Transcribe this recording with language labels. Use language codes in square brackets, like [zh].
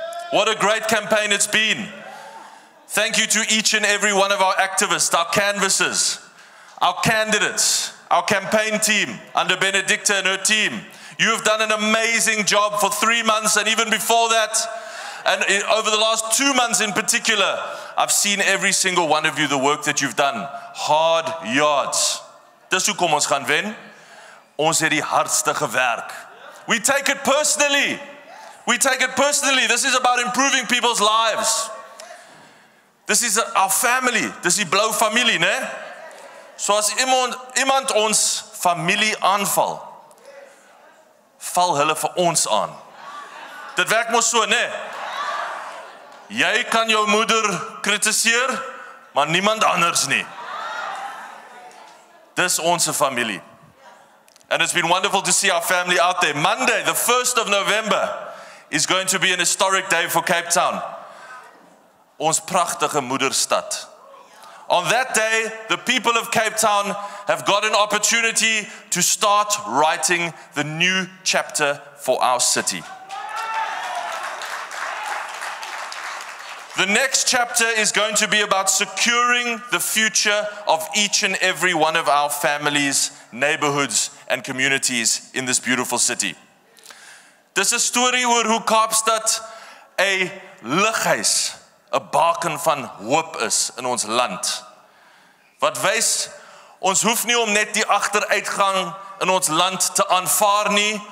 [en] What a great campaign it's been. Thank you to each and every one of our activists, our canvassers, our candidates, our campaign team under Benedicta and her team. You have done an amazing job for 3 months and even before that, and over the last 2 months in particular, I've seen every single one of you, the work that you've done. Hard yards. [af] Dis hoekom ons gaan wen. Ons het die hardste gewerk. [en] We take it personally. We take it personally. This is about improving people's lives. This is our family. This is [af] blou familie, né? So as iemand ons familie aanval, val hulle vir ons aan. Dit werk mos so, né? Jy kan jou moeder kritiseer, maar niemand anders nie. Dis ons familie. [en] And it's been wonderful to see our family out there. Monday, the 1st of November, is going to be an historic day for Cape Town. [af] Ons pragtige moederstad. [en] On that day, the people of Cape Town have got an opportunity to start writing the new chapter for our city. The next chapter is going to be about securing the future of each and every one of our families, neighborhoods, and communities in this beautiful city. [af] Dis 'n storie oor hoe Kaapstad 'n lighuis, 'n baken van hoop is in ons land. Wat wys, ons hoef nie om net die agteruitgang in ons land te aanvaar nie.